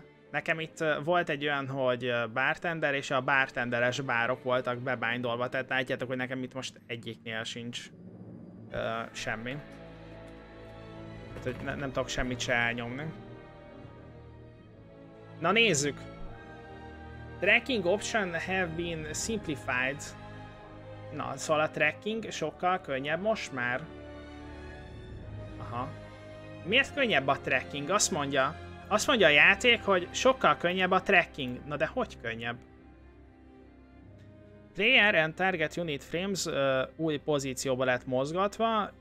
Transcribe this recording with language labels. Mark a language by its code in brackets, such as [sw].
[hu] Nekem itt volt egy olyan, hogy bartender, és a bartenderes bárok voltak bebindolva, tehát látjátok, hogy nekem itt most egyiknél sincs semmi. Hogy nem tudok semmit se elnyomni. Na nézzük! [en] Tracking option have been simplified. [hu] Na, szóval a tracking sokkal könnyebb most már. Aha. Miért könnyebb a tracking? Azt mondja a játék, hogy sokkal könnyebb a tracking. Na de hogy könnyebb? [en] Player and target unit frames [hu] új pozícióba lett mozgatva.